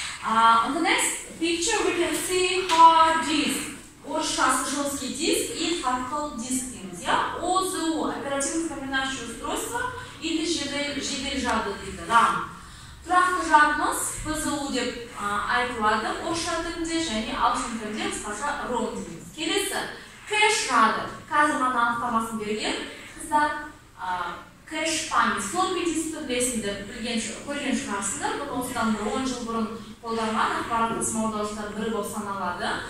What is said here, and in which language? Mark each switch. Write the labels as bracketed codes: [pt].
[en] On the next picture we can see hard disk. [kk] Орысшасы [ru] жесткий диск и [en] hard disk [kk] дискинг. [ru] ОЗУ, оперативно-запоминающее устройство или [kk] жедел жады дейді. [en] RAM. [kk] Тұрақты жадымыз ПЗУ деп айтылады. Орысша тілінде және ағылшын тілінде қысқаша ROM дейміз. Келесі. Кэш жады. Қазір ғана анықтамасын берген қыздар. [ru] Кэш памяти, [kk] слопи диски білесіңдер, көрген шығарсыңдар, бұл осыдан 10 жыл бұрын қолданған ақпарат тасымалдаушылар бірі болып саналады.